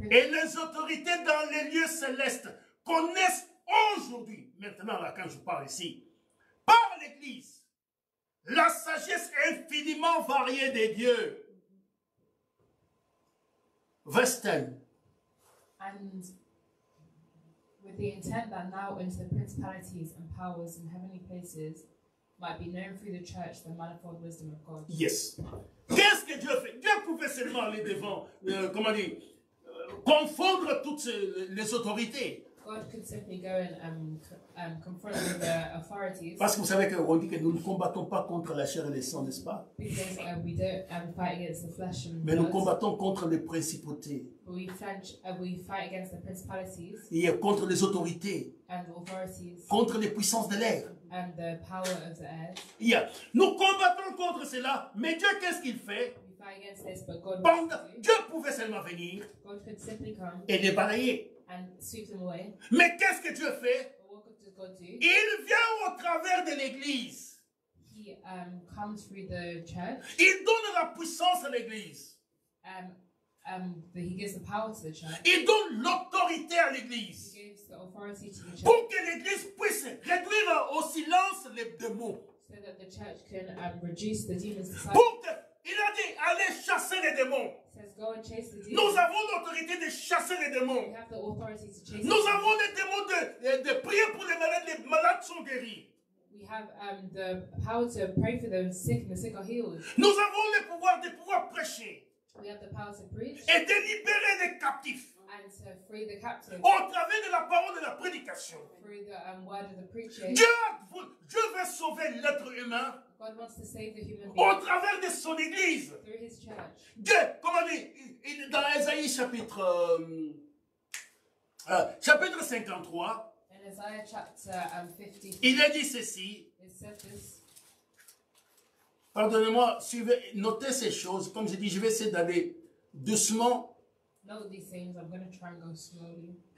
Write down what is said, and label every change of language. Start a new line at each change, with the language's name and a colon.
French: et les autorités dans les lieux célestes connaissent aujourd'hui, maintenant là quand je parle ici, par l'Église, la sagesse infiniment variée des dieux.
English: Mm-hmm. Verse 10. And with the intent that now into the principalities and powers in heavenly places might be known through the church the manifold wisdom of God.
French: Yes. Qu'est-ce que Dieu fait? Dieu pouvait seulement aller devant, comment dire, confondre toutes les autorités.
English: God could simply go and confront the authorities.
French: Parce que vous savez qu'on dit que nous ne combattons pas contre la chair et le sang, n'est-ce pas?
English: Because we don't fight against the flesh and
French: blood. Mais nous combattons contre les principautés.
English: We fight against the principalities.
French: Et contre les autorités.
English: And the authorities.
French: Contre les puissances de l'air.
English: And the power of the air. Yeah.
French: Nous combattons contre cela, mais Dieu, qu'est-ce qu'il fait?
English: This, but God
French: bon, Dieu pouvait seulement venir
English: God could simply come
French: et les balayer.
English: And sweep them away.
French: Mais qu'est-ce que Dieu fait?
English: What could God do?
French: Il vient au travers de l'Église.
English: He comes through the church.
French: Il donne la puissance à l'Église.
English: But he gives the power to the church.
French: Il donne l'autorité à l'Église.
English: He gives the authority to the church.
French: Pour que l'Église puisse réduire au silence les démons.
English: So that the church can reduce the demons.
French: Il a dit, allez chasser les démons.
English: Says, go and chase the demons.
French: Nous avons l'autorité de chasser les démons.
English: We have the authority to chase Nous them.
French: Avons les démons de prier pour les malades sont guéris.
English: We have the power to pray for them sick and the sick are healed.
French: Nous avons le pouvoir de pouvoir prêcher.
English: We have the power to preach.
French: Et de libérer les captifs.
English: And to free the captives.
French: Au travers de la parole de la prédication.
English: Through the word of the preaching.
French: Dieu veut sauver l'être humain.
English: God wants to save the human being.
French: Au travers de son église.
English: Through his church.
French: Dieu, comme on dit, il, dans Esaïe chapitre, chapitre 53.
English: In Isaiah chapter 53.
French: Il a dit ceci.
English: It says this.
French: Pardonnez-moi, suivez, notez ces choses. Comme je dis, je vais essayer d'aller doucement.
English: Note these things, I'm going to try and go slowly.